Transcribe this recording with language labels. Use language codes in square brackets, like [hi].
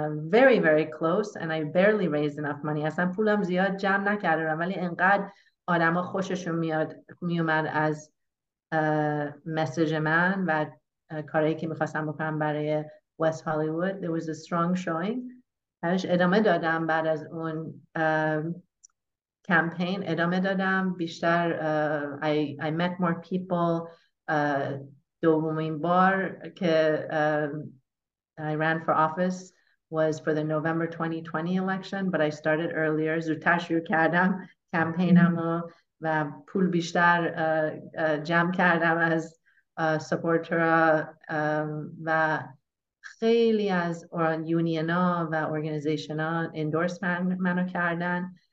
[en] Very very close and I barely raised enough money. [fa] اصلا پولم زیاد جمع نکردم، ولی انقدر آدما خوششون میومد از مسیج من و کارهایی که میخواستم بکنم برای West Hollywood. [en] There was a strong showing. [fa] هرش ادامه دادم بعد از اون کمپین، ادامه دادم بیشتر. [en] I met more people. [fa] دومین بار که [en] I ran for office was for the November 2020 election, but I started earlier. [fa] زودتر شروع کردم کمپینم و پول بیشتر جمع کردم از سپورترها و خیلی از یونین ها و ارگانیزیشن ها اندورس منو کردن.